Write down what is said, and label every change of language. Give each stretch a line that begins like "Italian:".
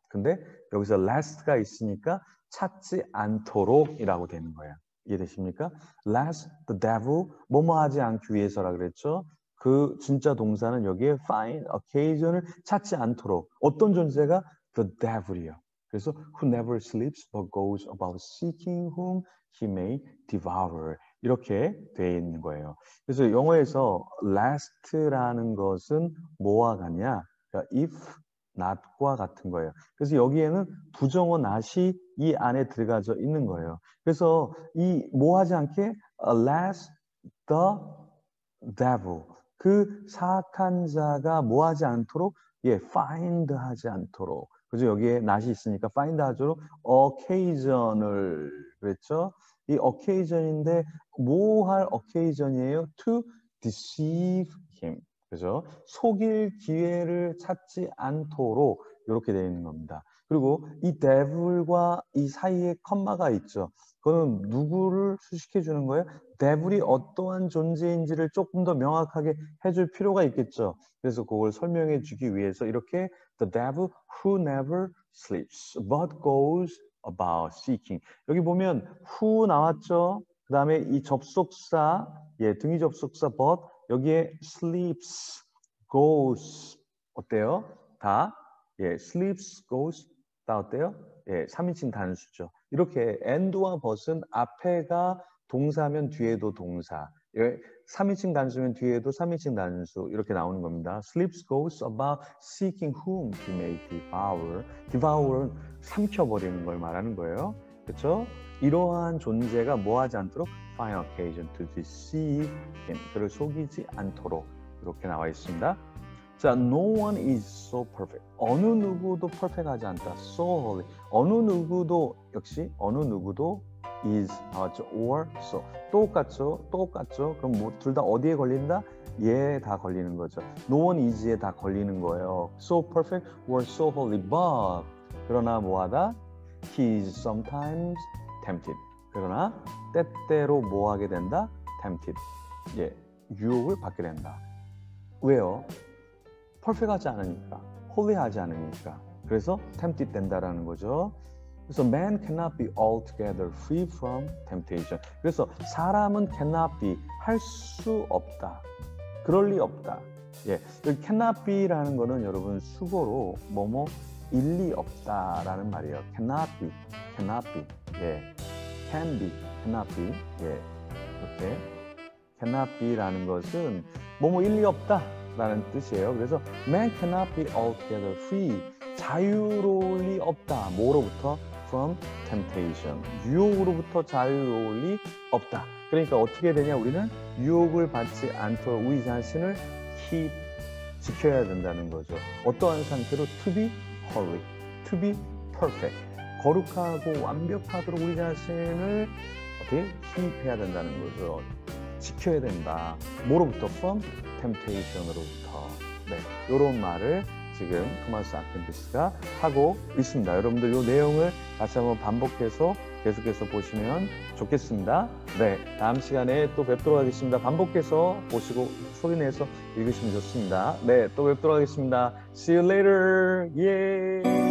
Korean: 근데 여기서 last가 있으니까 찾지 않도록이라고 되는 거야. 이해되십니까?
English: last the devil
Korean: 뭐뭐하지 않기 위해서라 그랬죠. 그 진짜 동사는 여기에
English: find occasion
Korean: 을 찾지 않도록 어떤 존재가 the devil이요. 그래서
English: who never sleeps but goes about seeking whom he may devour
Korean: 이렇게 돼 있는 거예요. 그래서 영어에서 last라는 것은 뭐와 같냐? 그러니까 if, not과 같은 거예요. 그래서 여기에는 부정어 not이 이 안에 들어가져 있는 거예요. 그래서 이 뭐하지 않게
English: last the devil,
Korean: 그 사악한 자가 뭐하지 않도록 예 find 하지 않도록. 그죠? 여기에 not이 있으니까 find 하도록 occasion을 그랬죠? 이 occasion인데 뭐할 occasion이에요?
English: To deceive him.
Korean: 그래서 속일 기회를 찾지 않도록 이렇게 되어 있는 겁니다. 그리고 이 devil과 이 사이에 컴마가 있죠. 그거는 누구를 수식해 주는 거예요? devil이 어떠한 존재인지를 조금 더 명확하게 해줄 필요가 있겠죠. 그래서 그걸 설명해 주기 위해서 이렇게
English: the devil who never sleeps but goes about seeking.
Korean: 여기 보면 who 나왔죠? 그 다음에 이 접속사, 예, 등이 접속사 but 여기에 sleeps, goes 어때요? 다, 예, sleeps, goes 다 어때요? 예, 3인칭 단수죠. 이렇게 and와 but은 앞에가 동사면 뒤에도 동사. 예, 3인칭 단수면 뒤에도 3인칭 단수 이렇게 나오는 겁니다.
English: Sleeps goes about seeking whom he may devour.
Korean: Devour은 삼켜버리는 걸 말하는 거예요. 그렇죠? 이러한 존재가 뭐 하지 않도록?
English: Find occasion to deceive him.
Korean: 그를 속이지 않도록 이렇게 나와 있습니다.
English: 자, no one is so perfect.
Korean: 어느 누구도 perfect하지 않다.
English: So holy.
Korean: 어느 누구도 역시 어느 누구도 is 나왔죠.
English: Or so.
Korean: 똑같죠. 똑같죠. 그럼 뭐, 둘다 어디에 걸린다? 예, 다 걸리는 거죠. No one is에 다 걸리는 거예요.
English: So perfect or so holy. But
Korean: 그러나 뭐하다?
English: He is sometimes tempted.
Korean: 그러나 때때로 뭐하게 된다? Tempted. 예, 유혹을 받게 된다. 왜요? 퍼펙트하지 않으니까, 홀리하지 않으니까. 그래서 tempted 된다라는 거죠.
English: So man cannot be altogether free from temptation.
Korean: 그래서 사람은
English: cannot be
Korean: 할수 없다. 그럴 리 없다. 예, 여기
English: cannot be
Korean: 라는 거는 여러분 수고로 뭐뭐 일리 없다라는 말이에요.
English: cannot be, cannot be. 예, can be, cannot be.
Korean: 예, 이렇게
English: cannot be
Korean: 라는 것은 뭐뭐 일리 없다. 라는 뜻이에요. 그래서
English: man cannot be altogether free,
Korean: 자유로울 리 없다. 뭐로부터?
English: From temptation,
Korean: 유혹으로부터 자유로울 리 없다. 그러니까 어떻게 되냐? 우리는 유혹을 받지 않도록 우리 자신을 keep 지켜야 된다는 거죠. 어떠한 상태로?
English: To be holy, to be perfect,
Korean: 거룩하고 완벽하도록 우리 자신을 어떻게 keep 해야 된다는 거죠. 지켜야 된다. 뭐로부터?
English: From temptation으로부터.
Korean: 네, 요런 말을 지금 토마스 아퀸투스가 하고 있습니다. 여러분들 요 내용을 다시 한번 반복해서 계속해서 보시면 좋겠습니다. 네, 다음 시간에 또 뵙도록 하겠습니다. 반복해서 보시고 소리 내서 읽으시면 좋습니다. 네, 또 뵙도록 하겠습니다.
English: See you later.
Korean: 예.